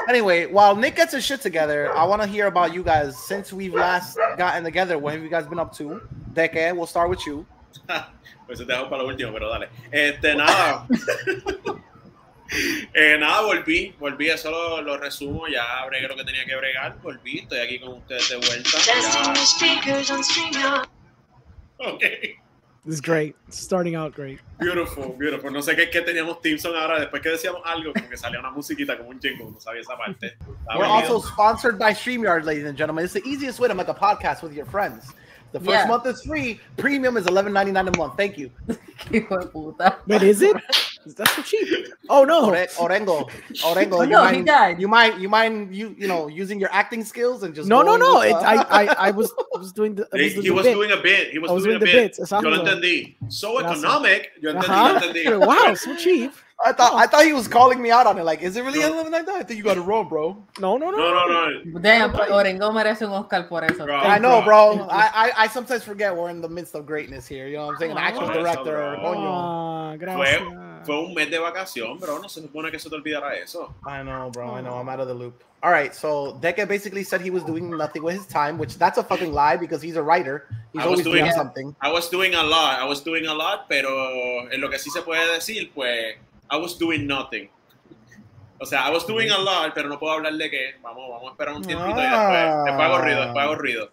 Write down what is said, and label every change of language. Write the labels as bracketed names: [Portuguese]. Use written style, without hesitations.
[English] Anyway, while Nick gets his shit together, I want to hear about you guys. Since we've last gotten together, what have you guys been up to? Deke, we'll start with you. [Spanish] Pues te dejo para lo último, pero dale. Nada. nada, volví. Eso lo resumo. Ya bregué lo que tenía que bregar. Volví. Estoy aquí con ustedes de vuelta. [English] It's great. Starting out great. [Spanish] Beautiful. No sé qué teníamos Timson ahora. Después que decíamos algo, como que salía una musiquita como un jingle. No sabía esa parte. [English] Also sponsored by StreamYard, ladies and gentlemen. It's the easiest way to make a podcast with your friends. The first month is free. Premium is $11.99 a month. Thank you. Wait, is it? That's so cheap. Oh, no. Orengo. Oh, no, you mind, he died. You mind you know, using your acting skills and just... No. I was doing a bit. He was doing a bit. [Spanish] Yo lo entendí. [English] So economic. [Spanish] Yo entendí. [English] Wow, so cheap. I thought he was calling me out on it. Like, is it really $11.99? I think you got it wrong, bro. No. [Spanish] Damn, Orengo merece un Oscar por eso. [English] I know, bro. I sometimes forget we're in the midst of greatness here. You know what I'm saying? An actual director. [Spanish] Gracias. fue un mes de vacación, bro. No se supone que se te olvidara eso. [English] I know, bro. I know. I'm out of the loop. All right. So Deke basically said he was doing nothing with his time, which that's a fucking lie because he's a writer. He's always doing something. I was doing a lot. I was doing a lot, [Spanish] pero en lo que sí se puede decir, pues, [English] I was doing nothing. [Spanish] O sea, [English] I was doing a lot, [Spanish] pero no puedo hablar de qué. Vamos a esperar un tiempito y después hago ruido,